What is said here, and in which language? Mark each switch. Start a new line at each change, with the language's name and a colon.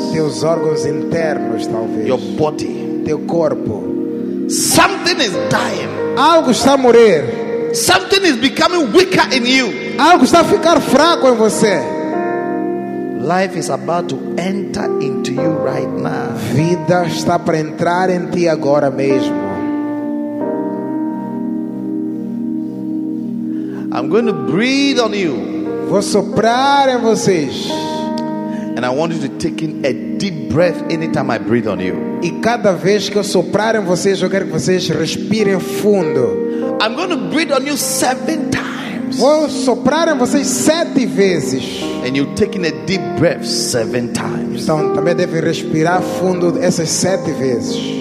Portuguese: Teus órgãos internos, talvez.
English: Your body.
Portuguese: Teu corpo.
English: Something is dying.
Portuguese: Algo está a morrer.
English: Something is becoming weaker in you.
Portuguese: Algo está a ficar fraco em você.
English: Life is about to enter into you right now.
Portuguese: Vida está para entrar em ti agora mesmo.
English: I'm going to breathe on you.
Portuguese: Vou soprar em vocês.
English: And I want you to take in a deep breath anytime I breathe on you.
Portuguese: E cada vez que eu soprar em vocês, eu quero que vocês respirem fundo.
English: I'm going to breathe on you 7 times.
Portuguese: Vou soprar em vocês 7 vezes.
English: And you're taking a deep breath 7 times.
Portuguese: Então também deve respirar fundo essas 7 vezes.